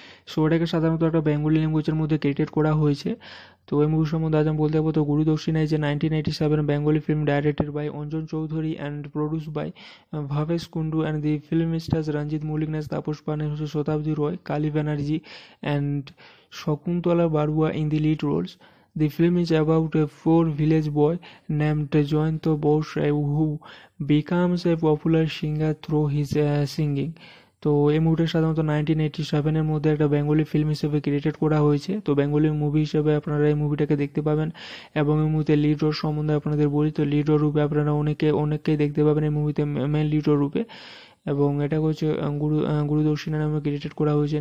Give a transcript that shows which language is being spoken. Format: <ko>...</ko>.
<bn>So এটাকে সাধারণত একটা বেঙ্গলি ল্যাঙ্গুয়েজের মধ্যে ক্রিয়েটেড করা হয়েছে। তো এই মুভি সম্বন্ধে আজ আমি বলতে যাবো।</bn> <en>তো গুরুদক্ষিণা যে 1997 Bengali film, directed by Anjan Chowdhury and produce by Bhabesh Kundu, and the film stars Ranjit Mallick, নেস তাপস পাল, হচ্ছে Satabdi Roy, Kali Banerjee and Shakuntala Barua in the lead roles. The film is about a poor village boy named Jayanta Bose who becomes a popular singer through his singing.</en> <bn>তো এই মুভিটা সাধারণত 1987-এর মধ্যে একটা Bengali film হিসেবে created করা হয়েছে। তো বেঙ্গলি মুভি হিসেবে আপনারা এই মুভিটাকে দেখতে পাবেন। এবং এই মুভিতে লিড রোল সম্বন্ধে আপনাদের বলি, তো লিড রোল রূপে আপনারা অনেককেই দেখতে পাবেন এই মুভিতে, মেন লিড রোল রূপে। এবং এটা হচ্ছে গুরুদক্ষিণা নামে ক্রিয়েটেড করা হয়েছে।</bn>